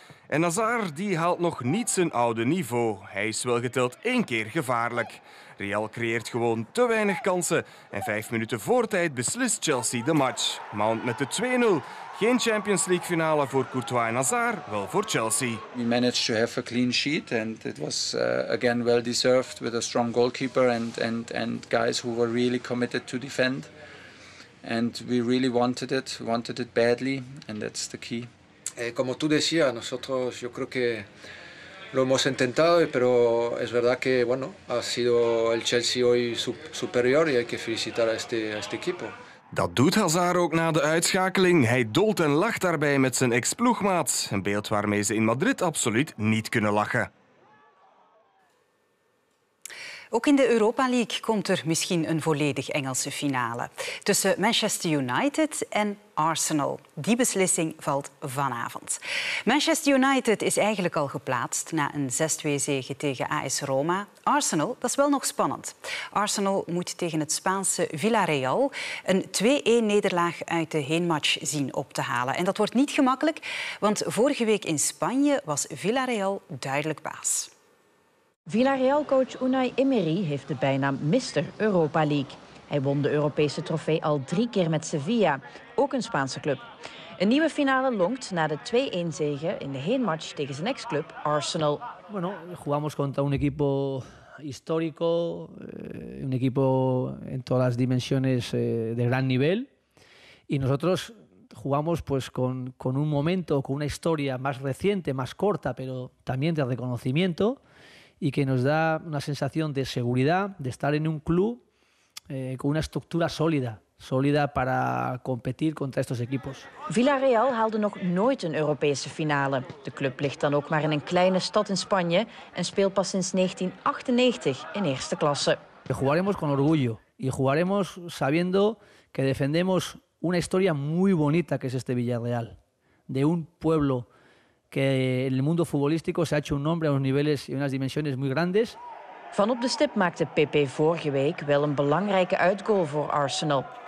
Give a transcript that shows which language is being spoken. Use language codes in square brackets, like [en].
[nl] En Hazard die haalt nog niet zijn oude niveau. Hij is wel geteld één keer gevaarlijk. Real creëert gewoon te weinig kansen. En 5 minuten voor tijd beslist Chelsea de match. Mount met de 2-0. Geen Champions League finale voor Courtois en Hazard, wel voor Chelsea. [en] We managed to have a clean sheet and it was again well deserved with a strong goalkeeper and guys who were really committed to defend. And we really wanted it badly and that's the key. [es] Como tú decías, nosotros yo creo que lo hemos intentado, pero es verdad que bueno, ha sido el Chelsea hoy superior y hay que felicitar a este equipo. [nl] Dat doet Hazard ook na de uitschakeling. Hij dolt en lacht daarbij met zijn ex-ploegmaat. Een beeld waarmee ze in Madrid absoluut niet kunnen lachen. Ook in de Europa League komt er misschien een volledig Engelse finale. Tussen Manchester United en Arsenal. Die beslissing valt vanavond. Manchester United is eigenlijk al geplaatst na een 6-2-zege tegen AS Roma. Arsenal, dat is wel nog spannend. Arsenal moet tegen het Spaanse Villarreal een 2-1-nederlaag uit de heenmatch zien op te halen. En dat wordt niet gemakkelijk, want vorige week in Spanje was Villarreal duidelijk baas. Villarreal-coach Unai Emery heeft de bijnaam Mr. Europa League. Hij won de Europese trofee al 3 keer met Sevilla, ook een Spaanse club. Een nieuwe finale lonkt na de 2-1-zege in de heenmatch tegen zijn ex-club Arsenal. [es] Bueno, jugamos contra un equipo histórico, un equipo en todas las dimensiones de gran nivel. Y nosotros jugamos pues con un momento, con una historia más reciente, más corta, pero también de reconocimiento y que nos da una sensación de seguridad, de estar en un club con una estructura sólida. Solida para competir contra estos equipos. [nl] Villarreal haalde nog nooit een Europese finale. De club ligt dan ook maar in een kleine stad in Spanje en speelt pas sinds 1998 in eerste klasse. [es] Jugaremos con orgullo y jugaremos sabiendo que defendemos una historia muy bonita que es este Villarreal, de un pueblo que en el mundo futbolístico se ha hecho un nombre a unos niveles y unas dimensiones muy grandes. [nl] Van op de stip maakte Pepe vorige week wel een belangrijke uitgoal voor Arsenal.